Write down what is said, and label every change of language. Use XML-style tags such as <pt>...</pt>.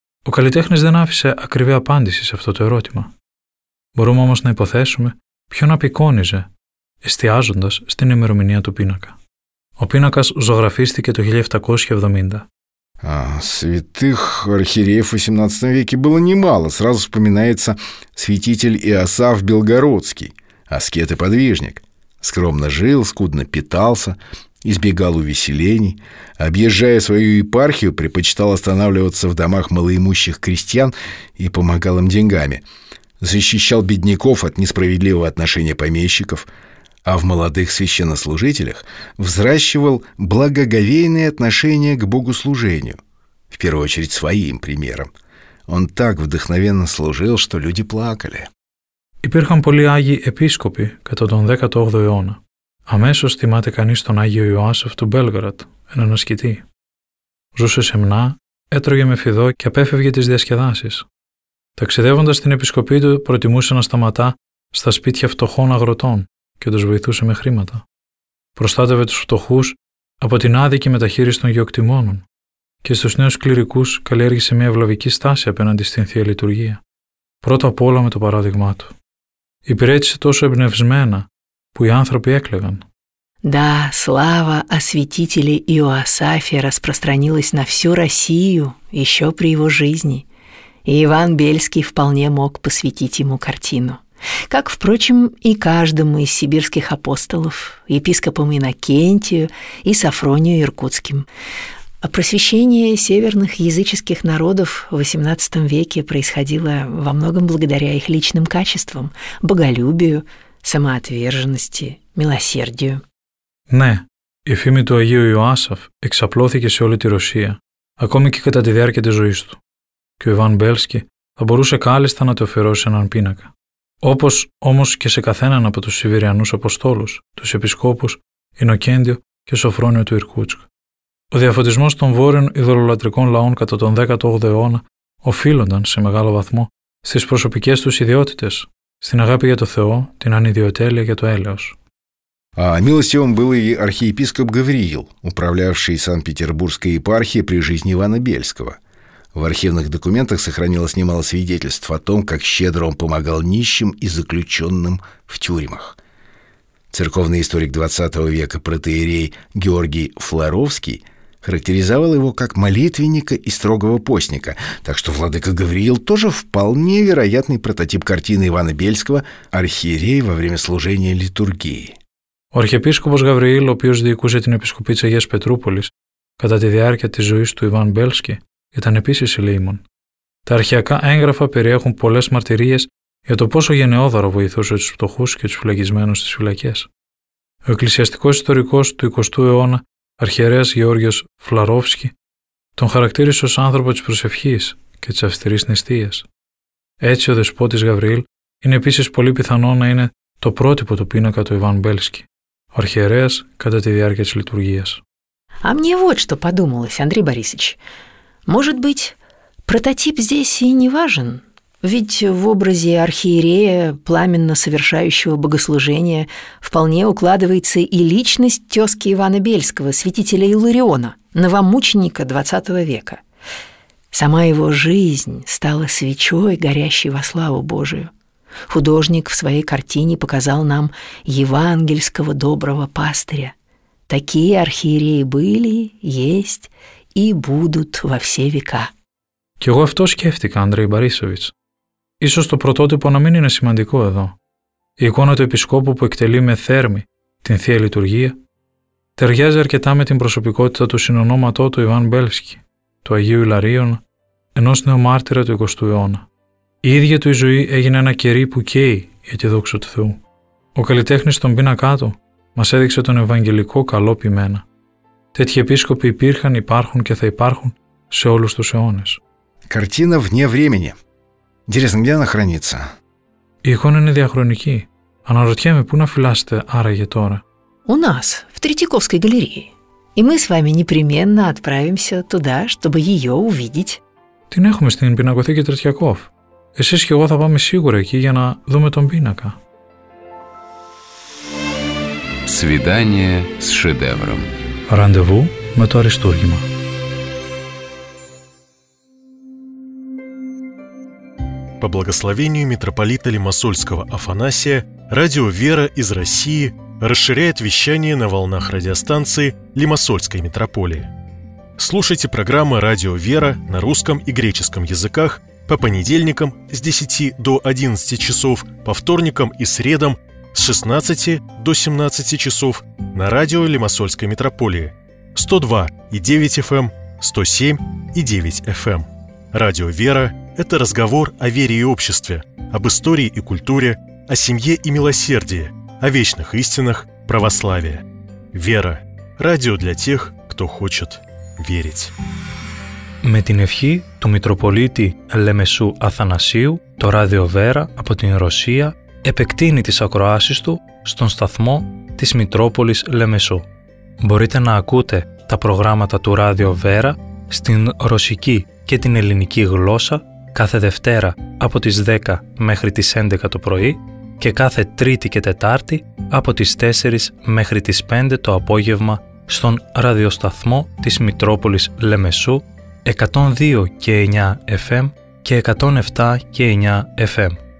<el>Ο καλλιτέχνης δεν άφησε ακριβή απάντηση σε αυτό το ερώτημα. Μπορούμε όμως να υποθέσουμε ποιον απεικόνιζε, εστιάζοντας στην ημερομηνία του πίνακα. Ο πίνακας ζωγραφίστηκε το 1770.</el> <ru>А святых архиереев в XVIII веке было немало. Сразу вспоминается святитель Иосаф Белгородский, аскет и подвижник. Скромно жил, скудно питался, избегал увеселений. Объезжая свою епархию, предпочитал останавливаться в домах малоимущих крестьян и помогал им деньгами. Защищал бедняков от несправедливого отношения помещиков. А в молодых священнослужителях взращивал благоговейные отношения к богослужению, в первую очередь своим примером. Он так вдохновенно служил, что люди плакали.</ru> <el>Υπήρχαν πολλοί άγιοι επίσκοποι κατά τον 18ο αιώνα. Αμέσως θυμάται κανείς τον Άγιο Ιωάσεφ του Μπέλγραντ, έναν ασκητή. Ζούσε σεμνά, έτρωγε με φιδό και απέφευγε τις διασκεδάσεις. Ταξιδεύοντας στην επισκοπή του, προτιμούσε να σταματά στα σπίτια φτωχών αγροτών και τους βοηθούσε με χρήματα. Προστάτευε τους φτωχούς από την άδικη μεταχείριση των γεωκτημόνων και στους νέους κληρικούς καλλιέργησε μια ευλαβική στάση απέναντι στην Θεία Λειτουργία, πρώτα απ' όλα με το παράδειγμά του. Υπηρέτησε τόσο εμπνευσμένα που οι άνθρωποι έκλαιγαν.</el> <ru>Да, слава о святителе Иоасафе распространилась на всю Россию еще при его жизни, и Иван Бельский вполне мог посвятить ему картину. Как, впрочем, и каждому из сибирских апостолов, епископам Иннокентию и Сафронию Иркутским. Просвещение северных языческих народов в XVIII веке происходило во многом благодаря их личным качествам, боголюбию, самоотверженности, милосердию.</ru> <el>Ναι, η φήμη του Αγίου Ιωάσαφ εξαπλώθηκε σε όλη τη Ρωσία, ακόμη και κατά τη διάρκεια της ζωής του. Και ο Ιβάν Μπέλσκι θα μπορούσε κάλλιστα να το αφιερώσει έναν πίνακα. Όπως όμως και σε καθέναν από τους Σιβηριανούς Αποστόλους, τους Επισκόπους, Ινοκέντιο και Σοφρόνιο του Ιρκούτσκ. Ο διαφωτισμός των βόρειων ιδωλολατρικών λαών κατά τον 18ο αιώνα οφείλονταν σε μεγάλο βαθμό στις προσωπικές τους ιδιότητες, στην αγάπη για το Θεό, την ανιδιοτέλεια για το έλεος.</el> <ru>А милостивым был и архиепископ Гавриил, управлявший Санкт-Петербургской епархией при жизни Ивана Бельского. В архивных документах сохранилось немало свидетельств о том, как щедро он помогал нищим и заключенным в тюрьмах. Церковный историк XX века протоиерей Георгий Флоровский характеризовал его как молитвенника и строгого постника, так что владыка Гавриил тоже вполне вероятный прототип картины Ивана Бельского «Архиерей во время служения литургии».</ru> <el>Ο αρχιεπίσκοπος Γαβριήλ, ο οποίος διοικούσε την Επισκοπή της Αγίας Πετρούπολης κατά τη διάρκεια της ζωής του Ιβάν Μπέλσκι, ήταν επίσης ηλίμων. Τα αρχαιακά έγγραφα περιέχουν πολλές μαρτυρίες για το πόσο γενναιόδωρο βοηθούσε τους φτωχούς και τους φυλακισμένους στις φυλακές. Ο εκκλησιαστικός ιστορικός του 20ου αιώνα, αρχιερέας Γεώργιος Φλαρόφσκι, τον χαρακτήρισε ως άνθρωπο της προσευχής και της αυστηρής νηστείας. Έτσι, ο δεσπότης Γαβριήλ είναι επίσης πολύ πιθανό να είναι το πρότυπο του πίνακα του Ιβάν Μπέλσκι, ο αρχιερέας κατά τη διάρκεια της λειτουργίας.</el> <ru>А мне вот что подумалось, Андрей Борисович. Может быть, прототип здесь и не важен? Ведь в образе архиерея, пламенно совершающего богослужение, вполне укладывается и личность тезки Ивана Бельского, святителя Илариона, новомученика XX века. Сама его жизнь стала свечой, горящей во славу Божию. Художник в своей картине показал нам евангельского доброго пастыря. Такие архиереи были, есть и будут во все века.</ru> <el>Και εγώ αυτό σκέφτηκα, Андрей Борисович. Ίσως το πρωτότυπο να μην είναι σημαντικό εδώ. Η εικόνα του επισκόπου που εκτελεί με θέρμη την Θεία Λειτουργία ταιριάζει αρκετά με την προσωπικότητα του συνονόματό του Ιβάν Μπέλσκι, του Αγίου Ιλαρίωνα, ενός νεομάρτυρα του 20ου αιώνα. Η ίδια του η ζωή έγινε ένα κερί που καίει για τη δόξα του Θεού. Ο καλλιτέχνης στον πίνακά του μας έδειξε τον Ευαγγελικό καλό ποιμένα. Τέτοιοι επίσκοποι υπήρχαν, υπάρχουν και θα υπάρχουν σε όλους τους αιώνες.</el> <ru>Картина вне времени. Интересно, где она хранится?</ru> <el>Η εικόνα είναι διαχρονική. Αναρωτιέμαι πού να φυλάσσεται άραγε τώρα.</el> <ru>У нас, в Третьяковской галерее. И мы с вами непременно отправимся туда, чтобы ее увидеть.</ru> <el>Την έχουμε στην πινακοθήκη Τρετιακόφ. Εσείς και εγώ θα πάμε σίγουρα εκεί για να δούμε τον πίνακα.</el> <ru>Свидание с шедевром.</ru> <el>Ραντεβού με το αριστούργημα.</el> <ru>По благословению митрополита Лимассольского Афанасия, радио «Вера» из России расширяет вещание на волнах радиостанции Лимассольской митрополии. Слушайте программы «Радио «Вера» на русском и греческом языках по понедельникам с 10 до 11 часов, по вторникам и средам с 16 до 17 часов на радио Лимассольской митрополии 102.9 FM, 107.9 FM. Радио «Вера» – это разговор о вере и обществе, об истории и культуре, о семье и милосердии, о вечных истинах православия. «Вера» – радио для тех, кто хочет верить.</ru> <el>Με την ευχή του Μητροπολίτη Λεμεσού Αθανασίου, το Ράδιο Βέρα από την Ρωσία επεκτείνει τις ακροάσεις του στον σταθμό της Μητρόπολης Λεμεσού. Μπορείτε να ακούτε τα προγράμματα του Ράδιο Βέρα στην ρωσική και την ελληνική γλώσσα κάθε Δευτέρα από τις 10 μέχρι τις 11 το πρωί και κάθε Τρίτη και Τετάρτη από τις 4 μέχρι τις 5 το απόγευμα στον ραδιοσταθμό της Μητρόπολης Λεμεσού 102 και 9 FM και 107 και 9 FM.</el>